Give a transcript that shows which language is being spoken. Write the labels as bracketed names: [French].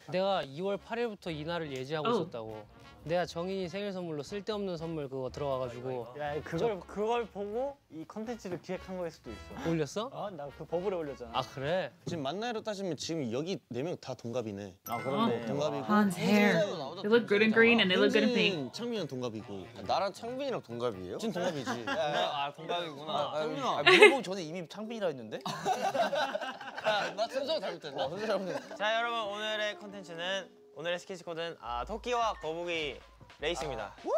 [Korean] 내가 2월 8일부터 이날을 예지하고 있었다고. 내가 정인이 생일 선물로 쓸데없는 선물 그거 들어와가지고. 야 그걸 보고 이 컨텐츠를 기획한 거일 수도 있어. 올렸어? 나 그 버블에 올렸잖아. 아 그래? 지금 만나러 따지면 지금 여기 네 명 다 동갑이네. 아 그런데. 동갑이고. [English] Han's hair. They look good in green and they look good in pink. [Korean] 창빈이랑 동갑이고. 나랑 창빈이랑 동갑이에요? 지금 동갑이지. 아 동갑이구나. 창빈아. 물어보기 전에 이미 창빈이라 했는데? 나 순서가 잘못됐나? 순서 잘못됐네. 자 여러분 오늘의 컨텐츠는 오늘의 스케치 코드는 토끼와 거북이 레이스입니다.